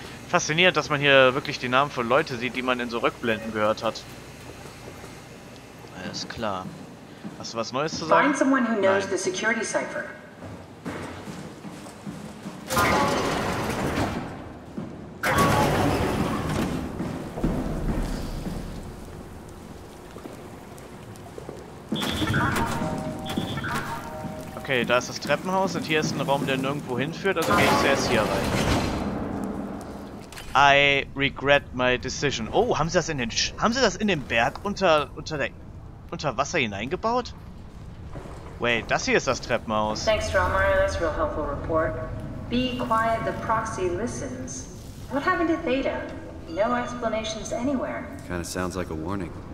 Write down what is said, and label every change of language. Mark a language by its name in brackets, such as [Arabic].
[German] Faszinierend, dass man hier wirklich die Namen von Leuten sieht, die man in so Rückblenden gehört hat. Alles klar. Hast du was Neues zu sagen? [English] Find someone who knows the security cipher. [German] Okay, da ist das Treppenhaus und hier ist ein Raum, der nirgendwo hinführt, also gehe ich zuerst hier rein. [English] I regret my decision. [German] Oh, haben sie das in den Berg unter Wasser hineingebaut? Wait, das hier ist das Treppenhaus. [English] Thanks, Dromar. That's a real helpful report. Be quiet, the proxy listens. What happened to Theta? No explanations anywhere. Kind of sounds like a warning.